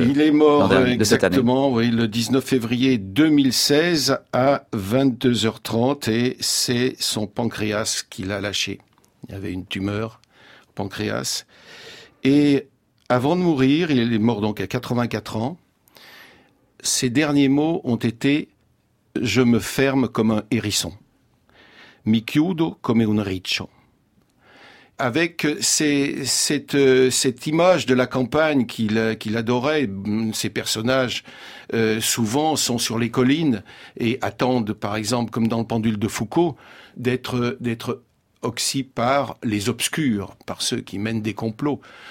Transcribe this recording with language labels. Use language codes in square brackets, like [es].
[fr] il est mort de exactement cette année. Oui, le 19 février 2016 à 22h30 et c'est son pancréas qui l'a lâché. Il y avait une tumeur au pancréas et avant de mourir, il est mort donc à 84 ans. Ses derniers mots ont été « je me ferme comme un hérisson. [it] Mi chiudo come un riccio. [fr] Avec cette image de la campagne qu'il adorait, ces personnages souvent sont sur les collines et attendent, par exemple, comme dans le Pendule de Foucault, d'être oxy par les obscurs, par ceux qui mènent des complots.